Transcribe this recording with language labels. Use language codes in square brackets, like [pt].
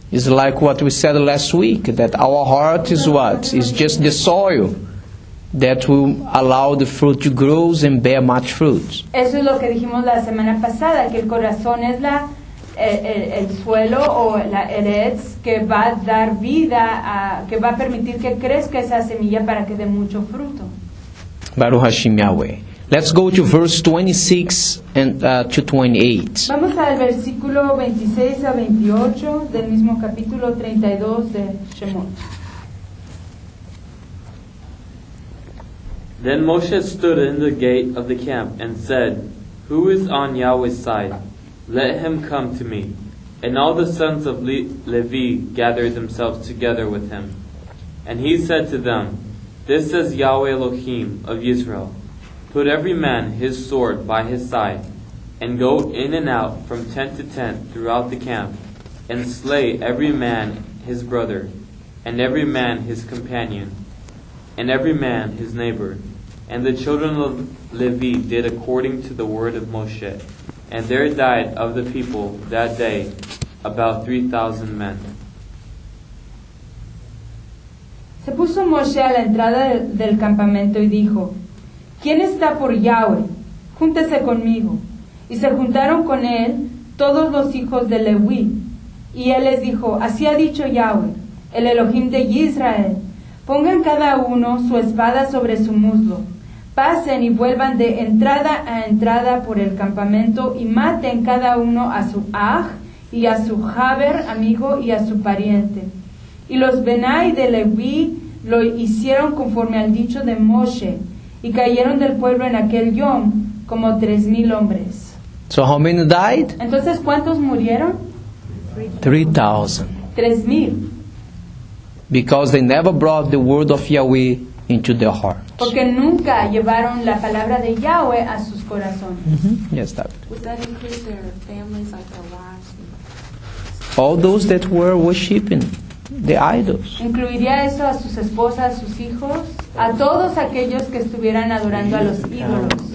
[en] It's like what we said last week, that our heart is what? It's just the soil that will allow the fruit to grow and bear much fruit. [es] Eso es lo que dijimos la semana pasada, que el corazón es la el suelo o la eretz que va a dar vida a, que va a permitir que crezca esa semilla para que dé mucho fruto. [he] Baruch Hashem [en] Yahweh. Let's go to verse 26 and to 28. [es] Vamos al versículo 26 a 28 del mismo capítulo 32 de Shemot. [en] Then Moshe stood in the gate of the camp and said, "Who is on Yahweh's side? Let him come to me." And all the sons of Levi gathered themselves together with him. And he said to them, "This is Yahweh Elohim of Israel. Put every man his sword by his side, and go in and out from tent to tent throughout the camp, and slay every man his brother, and every man his companion, and every man his neighbor." And the children of Levi did according to the word of Moshe. And there died of the people that day about 3,000 men. [es] Se puso Moshe a la entrada del campamento y dijo, "¿Quién está por Yahweh? Júntese conmigo." Y se juntaron con él todos los hijos de Leví. Y él les dijo, "Así ha dicho Yahweh, el Elohim de Israel, pongan cada uno su espada sobre su muslo. Pasen y vuelvan de entrada a entrada por el campamento y maten cada uno a su aj y a su jaber amigo y a su pariente." Y los Benai de Leví lo hicieron conforme al dicho de Moshe y cayeron del pueblo en aquel yom como 3,000 hombres. [en] So how many died? [es] Entonces, ¿cuántos murieron? [en] 3,000. [es] 3,000. [en] Because they never brought the word of Yahweh into their heart. [es] Porque nunca llevaron la palabra de Yahweh a sus corazones. [en] Mm-hmm. Yes, David. Would that increase their families like their wives? All those that were worshiping the idols. [es] ¿Incluiría eso a sus esposas, a sus hijos, a todos aquellos que estuvieran adorando a los ídolos?